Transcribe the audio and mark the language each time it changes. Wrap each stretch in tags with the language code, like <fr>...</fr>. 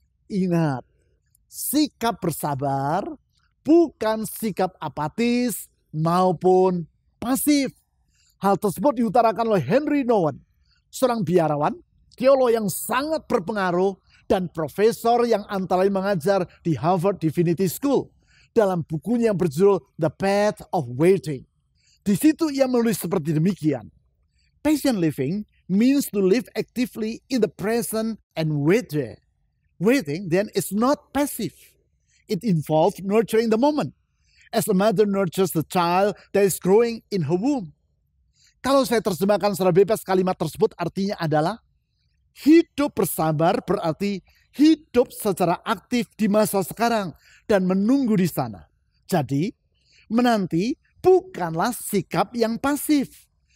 <id>Ingat, sikap bersabar bukan sikap apatis maupun pasif. Hal tersebut diutarakan oleh Henry Nouwen, seorang biarawan, teolog yang sangat berpengaruh dan profesor yang antara lain mengajar di Harvard Divinity School dalam bukunya yang berjudul The Path of Waiting. Di situ ia menulis seperti demikian.</id> <en>Patient living means to live actively in the present and wait there. Waiting then is not passive. It involves nurturing the moment as a mother nurtures the child that is growing in her womb.</en> <id>Kalau saya terjemahkan secara bebas kalimat tersebut artinya adalah hidup bersabar berarti hidup secara aktif di masa sekarang dan menunggu di sana. Jadi menanti bukanlah sikap yang pasif.</id>